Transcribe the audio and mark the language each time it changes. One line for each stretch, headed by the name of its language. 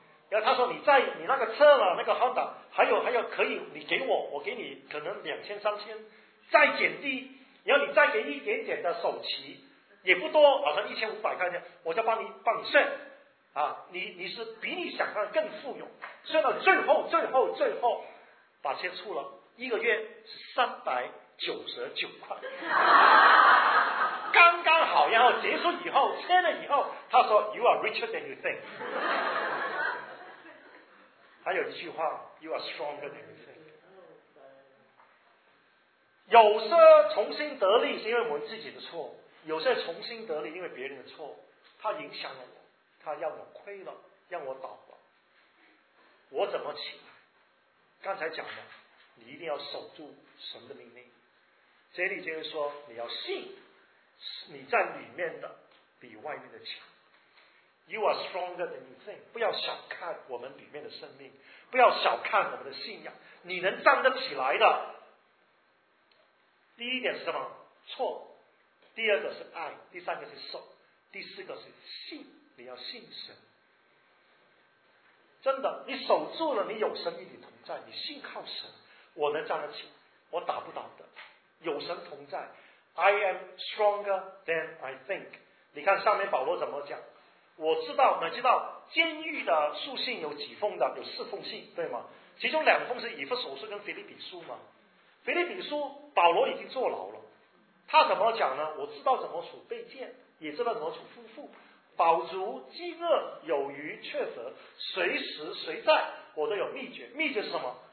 Chinese: 然后他说，你那个车了，那个 Honda 还有可以，你给我给你可能2000-3000，再减低，然后你再给一点点的首期，也不多，好像1500块钱，我就帮你算啊，你是比你想象的更富有，算到最后把钱出了。一个月是399块，刚刚好。然后结束以后，签了以后，他说 ：
English: “You are richer than you think。”
Chinese: 还有一句话
English: ：“You are stronger than you think。”
Chinese: 有些重新得利是因为我们自己的错，有些重新得利因为别人的错，他影响了我，他让我亏了，让我倒了，我怎么起来？刚才讲的。你一定要守住神的命令。这里就是说，你要信，你在里面的比外面的强。
English: You are stronger than you think。
Chinese: 不要小看我们里面的生命，不要小看我们的信仰，你能站得起来的。第一点是什么？错。第二个是爱，第三个是守，第四个是信。你要信神。真的，你守住了，你有神与你同在，你信靠神。我能站得起，我打不倒的，有神同在，
English: I am stronger than I think.
Chinese: 你看上面保罗怎么讲？我知道，你知道监狱的书信有几封的？有四封信，对吗？其中两封是以弗所书跟腓立比书嘛。腓立比书保罗已经坐牢了，他怎么讲呢？我知道怎么处卑贱，也知道怎么处夫妇，饱足饥饿，有余缺乏，随时随在我都有秘诀。秘诀是什么？